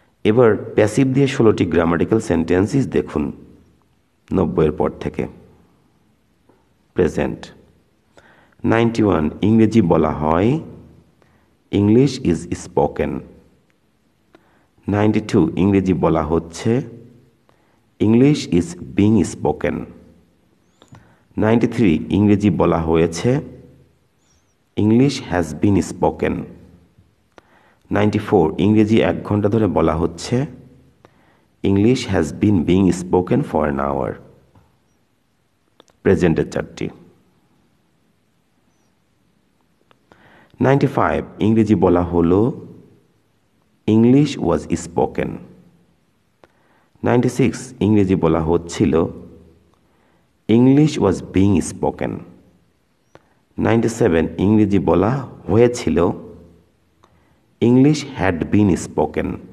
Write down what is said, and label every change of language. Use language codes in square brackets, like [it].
[bn] এবার প্যাসিভ দিয়ে 16টি grammatical sentences দেখুন 90 পর থেকে প্রেজেন্ট 91 ইংরেজি বলা হয় [en] English is spoken. [bn] 92. ইংরেজি বলা হচ্ছে. [en] English is being spoken. 93. [bn] ইংরেজি বলা হয়েছে. [en] English has been spoken. 94. [bn] ইংরেজি এক ঘন্টা ধরে বলা হচ্ছে. [en] English has been being spoken for an hour. Present চারটি 95 [bn] ইংরেজি বলা হলো [en] English was spoken 96 [bn] ইংরেজি বলা হচ্ছিল [en] English was being spoken 97 [bn] ইংরেজি বলা হয়েছিল [en] English had been spoken